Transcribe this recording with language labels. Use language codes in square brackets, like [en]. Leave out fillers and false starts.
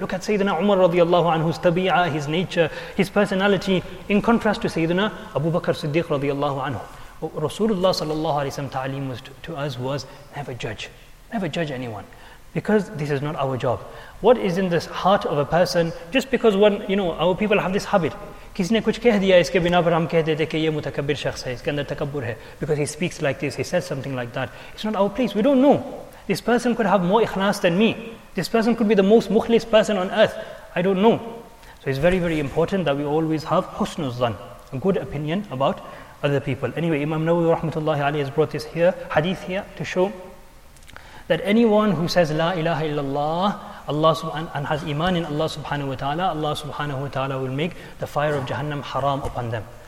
[en] Look at Sayyidina Umar radiallahu anhu's tabi'ah, his nature, his personality, in contrast to Sayyidina Abu Bakr Siddiq radiallahu anhu. Rasulullah sallallahu alayhi wa sallam ta'aleem was to us was never judge. Never judge anyone, because this is not our job. What is in the heart of a person, just because one, you know, our people have this habit, [hi] किसने कुछ कह दिया इसके बिना पर हम कह देते कि ये मुतकब्बिर शख्स है, इसके अंदर तकब्बुर है, [en] because he speaks like this, he says something like that. It's not our place, we don't know. This person could have more ikhlas than me. This person could be the most mukhlis person on earth. I don't know. So it's very, very important that we always have husnul dhan, a good opinion about other people. Anyway, Imam Nawawi rahmatullahi alayhi has brought this here, hadith here, to show that anyone who says la ilaha illallah, Allah and has iman in Allah subhanahu wa ta'ala, Allah subhanahu wa ta'ala will make the fire of Jahannam haram upon them.